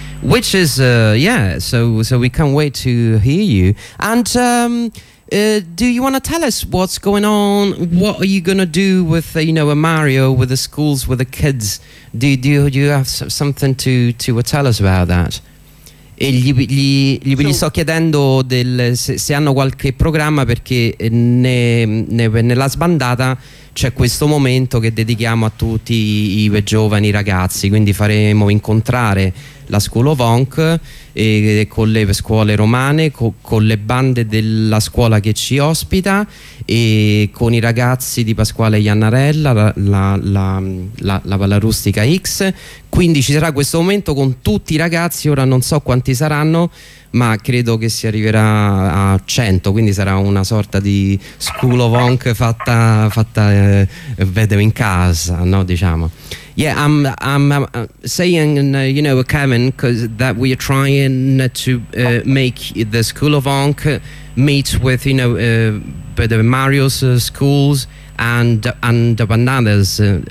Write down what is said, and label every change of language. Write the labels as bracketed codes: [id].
[en] Which is so we can't wait to hear you. And do you want to tell us what's going on? What are you going to do with a Mario, with the schools, with the kids? Do you have something to tell us about that? [it] E gli sto chiedendo se hanno qualche programma, perché nella sbandata c'è questo momento che dedichiamo a tutti i giovani ragazzi, quindi faremo incontrare la School of Onk con le scuole romane, con le bande della scuola che ci ospita e con i ragazzi di Pasquale Iannarella, la Vallarustica X. Quindi ci sarà questo momento con tutti i ragazzi, ora non so quanti saranno, ma credo che si arriverà a 100, quindi sarà una sorta di School of Onk fatta in casa, no, diciamo. [en] Yeah, I'm saying, Kevin, cause that we are trying to make the School of Onk meet with, the Mario's schools and Bananas.